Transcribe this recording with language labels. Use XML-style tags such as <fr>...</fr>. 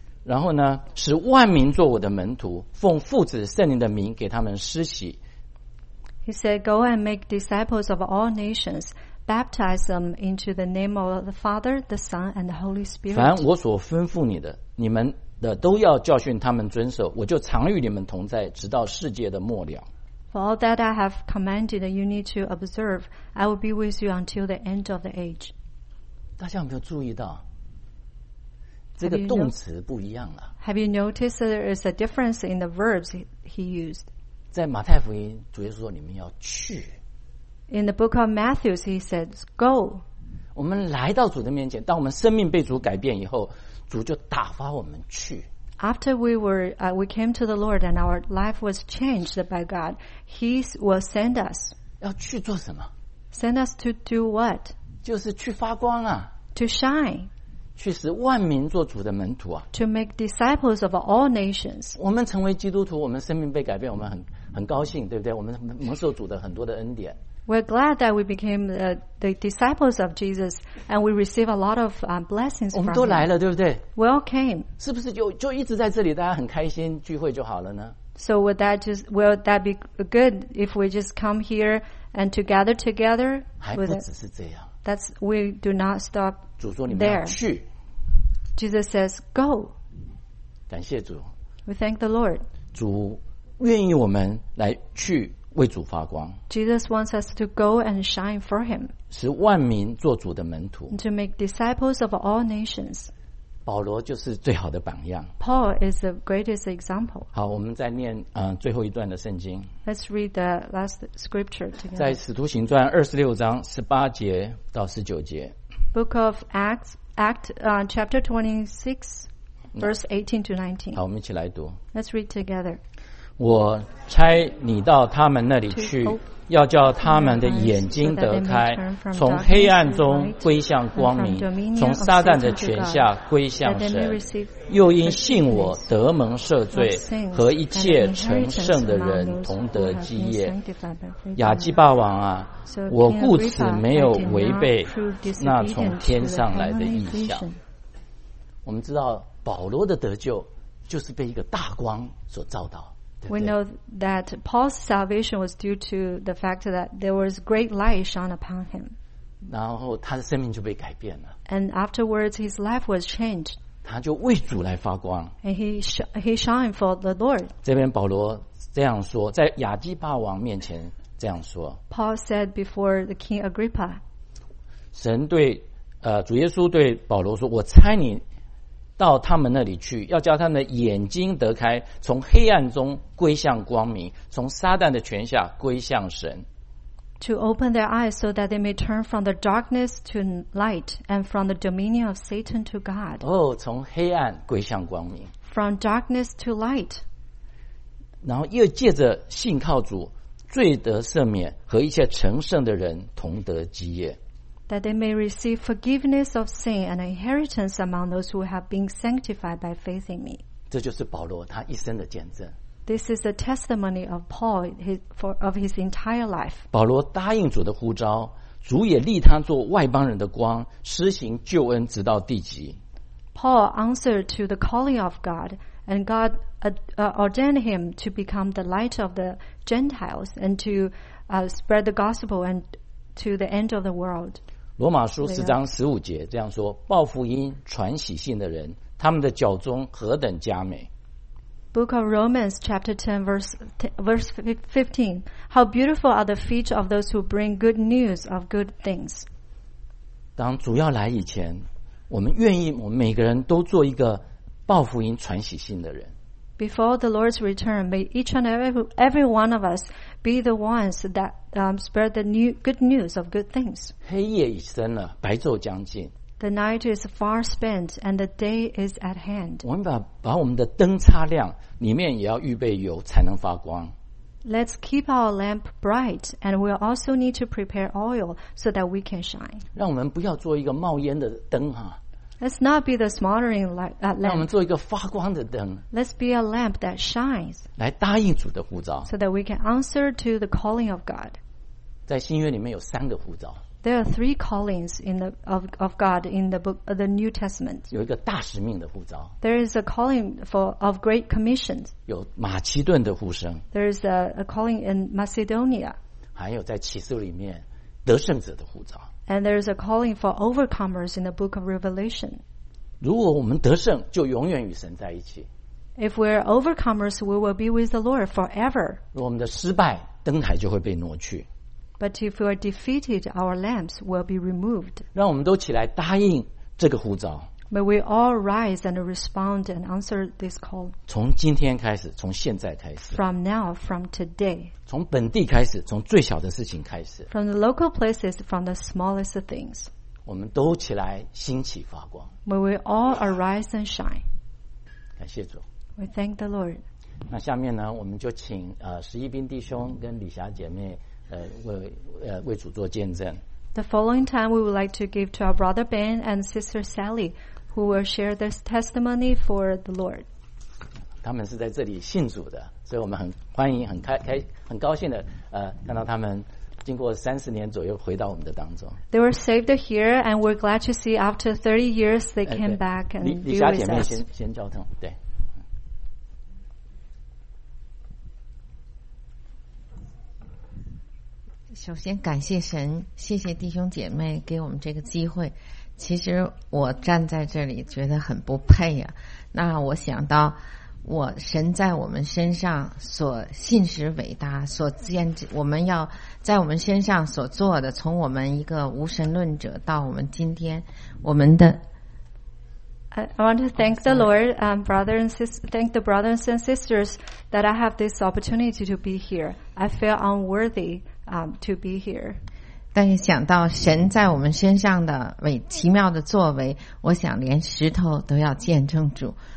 <zh>然后呢，使万民做我的门徒，奉父子圣灵的名给他们施洗。</zh> <en>He said, "Go and make disciples of all nations, baptize them into the name of the Father, the Son, and the Holy Spirit."</en> <zh>凡我所吩咐你的，你们的都要教训他们遵守。我就常与你们同在，直到世界的末了。</zh> <en>For all that I have commanded, you need to observe. I will be with you until the end of the age.</en> <zh>大家有没有注意到？这个动词不一样了。</zh> <en>Have you noticed that there is a difference in the verbs he used?</en> <zh>在马太福音，主耶稣说你们要去。</zh> <en>In the book of Matthew, he says, "Go."</en> <zh>我们来到主的面前，当我们生命被主改变以后，主就打发我们去。</zh> <en>After we came to the Lord and our life was changed by God, He will send us.</en> <zh>要去做什么</zh> <en>？Send us to do what?</en> <zh>就是去发光啊。</zh> <en>To shine.</en> <zh>去使万民做主的门徒啊</zh> <en>！To make disciples of all nations。</en> <zh>我们成为基督徒，我们生命被改变，我们很高兴，对不对？我们蒙受主的很多的恩典。</zh> <en>We're glad that we became the disciples of Jesus, and we receive a lot of blessings from him.</en> <zh>我们都来了，对不对</zh> <en>？We all came.</en> <zh>是不是就一直在这里，大家很开心聚会就好了呢</zh> <en>？So will that be good if we just come here and to gather together?</en> <zh>还不只是这样。</zh> <en>That's we do not stop there.</en> <zh>主说你们要去。</zh> <en>Jesus says, "Go."</en> <zh>感谢主。</zh> <en>We thank the Lord.</en> <zh>主愿意我们来去为主发光。</zh> <en>Jesus wants us to go and shine for Him.</en> <zh>使万民做主的门徒。</zh> <en>To make disciples of all nations.</en> <zh>保罗就是最好的榜样。</zh> <en>Paul is the greatest example.</en> <zh>好，我们再念最后一段的圣经。</zh> <en>Let's read the last scripture together.</en> <zh>在《使徒行传》26章18节到19节。</zh> <en>Book of chapter 26, verse 18 to 19.</en> <zh>好，我们一起来读。</zh> <en>Let's read together.</en> <zh>我差你到他们那里去，要叫他们的眼睛得开，从黑暗中归向光明，从撒旦的权下归向神，又因信我得蒙赦罪，和一切成圣的人同得基业。亚基巴王啊，我故此没有违背那从天上来的异象。我们知道保罗的得救就是被一个大光所照到。</zh> <en>We know that Paul's salvation was due to the fact that there was great light shone upon him.</en> <zh>然后他的生命就被改变了。</zh> <en>And afterwards, his life was changed.</en> <zh>他就为主来发光。</zh> <en>And he shone for the Lord.</en> <zh>这边保罗这样说，在亚基帕王面前这样说。</zh> <en>Paul said before the King Agrippa.</en> <zh>神对主耶稣对保罗说，我差你到他们那里去，要叫他们的眼睛得开，从黑暗中归向光明，从撒旦的权下归向神。</zh> <en>To open their eyes so that they may turn from the darkness to light and from the dominion of Satan to God.</en> <zh>哦，从黑暗归向光明。</zh> <en>From darkness to light.</en> <zh>然后又借着信靠主，罪得赦免，和一切成圣的人同得基业。</zh> <en>That they may receive forgiveness of sin and inheritance among those who have been sanctified by faith in me.</en> <zh>这就是保罗他一生的见证。</zh> <en>This is the testimony of Paul of his entire life.</en> <zh>保罗答应主的呼召，主也立他做外邦人的光，施行救恩直到地极。</zh> <en>Paul answered to the calling of God, and God ordained him to become the light of the Gentiles and to spread the gospel andto the end of the world.</en> <zh>罗马书十章十五节这样说，报福音传喜信的人，他们的脚中何等佳美。</zh> <en>Book of Romans chapter 10 verse 15, how beautiful are the feet of those who bring good news of good things.</en> <zh>当主要来以前，我们愿意我们每个人都做一个报福音传喜信的人。</zh> <en>Before the Lord's return, may each and every one of us be the ones that spread the new good news of good things.</en> <zh>黑夜已深了，白昼将近。</zh> <en>The night is far spent and the day is at hand.</en> <zh>我们把我们的灯擦亮，里面也要预备油才能发光。</zh> <en>Let's keep our lamp bright and we'll also need to prepare oil so that we can shine.</en> <zh>让我们不要做一个冒烟的灯哈。</zh> <en>Let's not be the smoldering lamp.</en> <zh>让我们做一个发光的灯。</zh> <en>Let's be a lamp that shines.</en> <zh>来答应主的呼召。</zh> <en>So that we can answer to the calling of God.</en> <zh>在新约里面有三个呼召。</zh> <en>There are three callings of God in the book of the New Testament.</en> <zh>有一个大使命的呼召。</zh> <en>There is a calling of great commissions.</en> <zh>有马其顿的呼声。</zh> <en>There is a calling in Macedonia.</en> <zh>还有在启示里面得胜者的呼召。</zh> <en>And there is a calling for overcomers in the book of Revelation.</en> <zh>如果我们得胜，就永远与神在一起。</zh> <en>If we are overcomers, we will be with the Lord forever.</en> <zh>如果我们的失败，灯台就会被挪去。</zh> <en>But if we are defeated, our lamps will be removed.</en> <zh>让我们都起来答应这个呼召。</zh> <en>May we all rise and respond and answer this call.</en> <zh>从今天开始，从现在开始。</zh> <en>From now, from today.</en> <zh>从本地开始，从最小的事情开始。</zh> <en>From the local places, from the smallest things.</en> <zh>我们都起来兴起发光。</zh> <en>May we all arise and shine.</en> <zh>感谢主。</zh> <en>We thank the Lord.</en> <zh>那下面呢，我们就请十一兵弟兄跟李霞姐妹为主做见证。</zh> <en>The following time, we would like to give to our brother Ben and sister Sally, who will share this testimony for the Lord.</en> <zh>他们是在这里信主的，所以我们很欢迎、很高兴的看到他们经过三十年左右回到我们的当中。</zh> <en>They were saved here, and we're glad to see after 30 years they came back and be with us.</en> <zh>李霞姐妹先交通，对。首先感谢神，谢谢弟兄姐妹给我们这个机会。其实我站在这里觉得很不配呀、那我想到我神在我们身上所信实伟大，所见我们要在我们身上所做的，从我们一个无神论者到我们今天我们的。</zh> <en>I want to thank the Lord, brother and sister, thank the brothers and sisters that I have this opportunity to be here. I feel unworthy, to be here.</en> <zh>但是想到神在我们身上的奇妙的作为，我想连石头都要见证主。</zh>